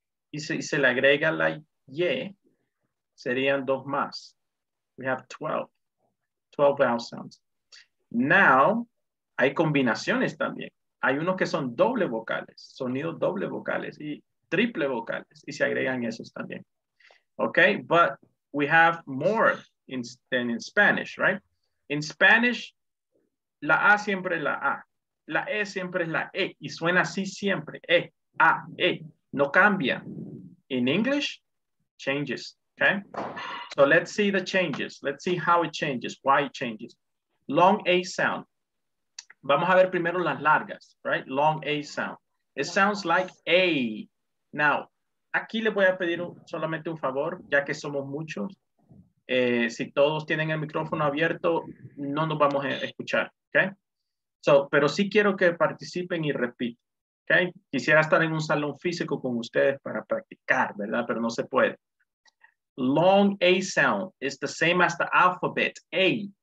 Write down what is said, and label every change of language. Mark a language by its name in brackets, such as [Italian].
[Spanish] Y se le agrega la Y. Serían dos más. [English] We have 12. 12 vowel sounds. [Spanish] Now, hay combinaciones también. Hay unos que son doble vocales. Sonidos doble vocales y triple vocales. Y se agregan esos también. Okay? [English] But we have more than in Spanish, right? In Spanish, [Spanish] la A siempre es la A. La E siempre es la E. Y suena así siempre. E, A, E. No cambia. [English] In English, changes. Okay? So let's see the changes. Let's see how it changes. Why it changes. Long A sound. [Spanish] Vamos a ver primero las largas. [English] Right? Long A sound. It sounds like A. [Spanish] Now, aquí le voy a pedir solamente un favor, ya que somos muchos. Si todos tienen el micrófono abierto, no nos vamos a escuchar. Okay, so, pero sí quiero que participen y repiten, okay? Quisiera estar en un salón físico con ustedes para practicar, ¿verdad? Pero no se puede. [English] Long A sound is the same as the alphabet, A.